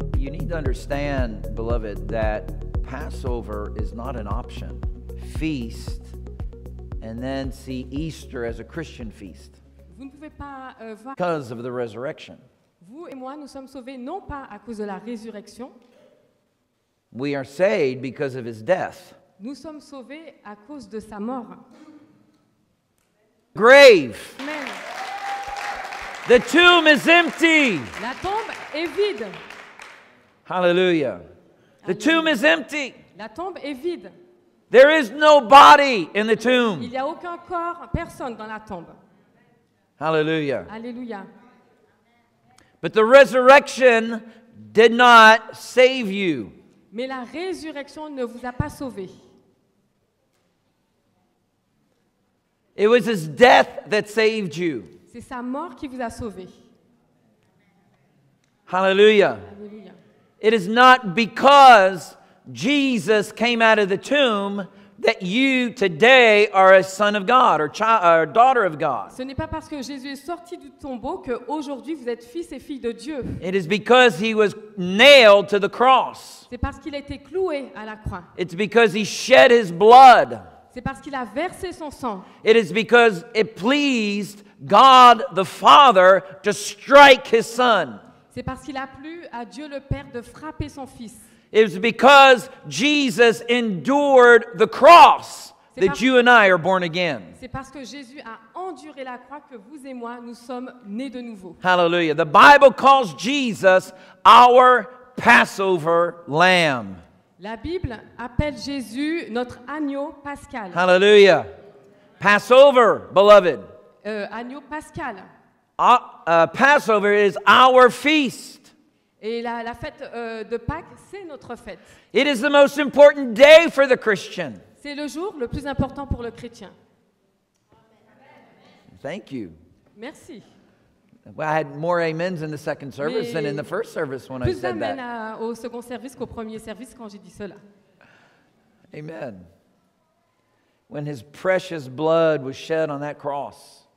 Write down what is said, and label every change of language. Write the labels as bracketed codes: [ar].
[en] need to understand, beloved, that Passover is not an option. Feast and then see Easter as a Christian feast. [fr] Vous ne pouvez pas voir [en] because of the resurrection. [fr] Vous et moi, nous sommes sauvés non pas à cause de la résurrection. [en] We are saved because of his death. [fr] Nous sommes sauvés à cause de sa mort. [en] Grave. Amen. The tomb is empty. [fr] La tombe est vide. [en] Hallelujah. The tomb is empty. [fr] La tombe est vide. [en] There is no body in the tomb. [fr] Il y a aucun corps, personne dans la tombe. Hallelujah. Hallelujah. [en] But the resurrection did not save you. [fr] Mais la résurrection ne vous a pas sauvé. [en] It was his death that saved you. [fr] C'est sa mort qui vous a sauvé. Hallelujah. Hallelujah. [en] It is not because Jesus came out of the tomb that you today are a son of God or child or daughter of God. [fr] Ce n'est pas parce que Jésus est sorti du tombeau que aujourd'hui vous êtes fils et fille de Dieu. [en] It is because he was nailed to the cross. [fr] C'est parce qu'il a été cloué à la croix. [en] It's because he shed his blood. [fr] C'est parce qu'il a versé son sang. [en] It is because it pleased God the Father to strike his son. [fr] C'est parce qu'il a plu à Dieu le Père de frapper son fils. [en] It was because Jesus endured the cross that you and I are born again. [fr] C'est parce que Jésus a enduré la croix que vous et moi nous sommes nés de nouveau. [en] Hallelujah. The Bible calls Jesus our Passover lamb. [fr] La Bible appelle Jésus notre agneau pascal. [en] Hallelujah. Passover, beloved. [fr] Agneau pascal. [en] Passover is our feast. [fr] Et la fête de Pâques, c'est notre fête. [en] It is the most important day for the Christian. [fr] C'est le jour le plus important pour le chrétien. [en] Thank you. [fr] Merci. [en] Well, I had more amens in the second service than in the first service when I said that. [fr] Plus d'amen au second service qu'au premier service quand j'ai dit cela. Amen. [en] When his precious blood was shed on that cross.